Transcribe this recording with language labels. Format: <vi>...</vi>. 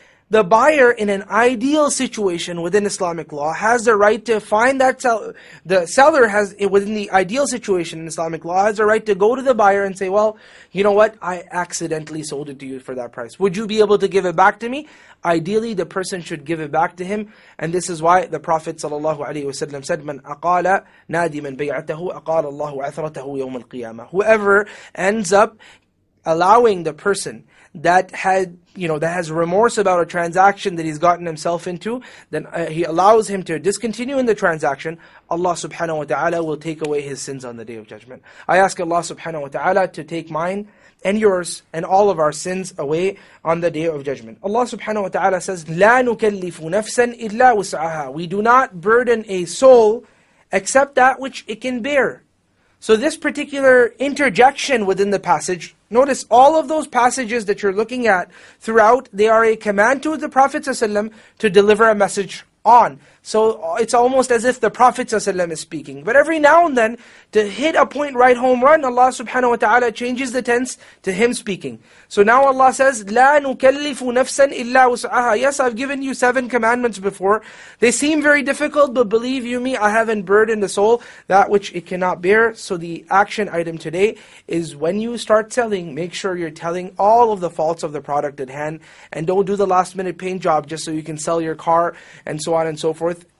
<en>The buyer, in an ideal situation within Islamic law, has the right to find that seller. The seller has, within the ideal situation in Islamic law, has the right to go to the buyer and say, well, you know what, I accidentally sold it to you for that price. Would you be able to give it back to me? Ideally, the person should give it back to him.</en> <ar>And this is why the Prophet ﷺ said, مَنْ أَقَالَ نَادِي مَنْ بَيْعَتَهُ أَقَالَ اللَّهُ عَثْرَتَهُ يَوْمَ الْقِيَامَةِ.</ar> <en>Whoever ends up allowing the person that has remorse about a transaction that he's gotten himself into, then he allows him to discontinue in the transaction, Allah subhanahu wa ta'ala will take away his sins on the Day of Judgment. I ask Allah subhanahu wa ta'ala to take mine and yours and all of our sins away on the Day of Judgment.</en> <ar>Allah subhanahu wa ta'ala says, لَا نُكَلِّفُ نَفْسًا إِلَّا وُسْعَهَا.</ar> <en>We do not burden a soul except that which it can bear. So this particular interjection within the passage, notice all of those passages that you're looking at throughout, they are a command to the Prophet ﷺ to deliver a message on. So it's almost as if the Prophet ﷺ is speaking. But every now and then, to hit a point right home run, Allah subhanahu wa ta'ala changes the tense to him speaking.</en> <ar>So now Allah says, لَا نُكَلِّفُ نَفْسًا إِلَّا وُسْعَهَا.</ar> <en>Yes, I've given you 7 commandments before. They seem very difficult, but believe you me, I haven't burdened the soul that which it cannot bear. So the action item today is when you start selling, make sure you're telling all of the faults of the product at hand, and don't do the last minute paint job just so you can sell your car and so on and so forth.</en>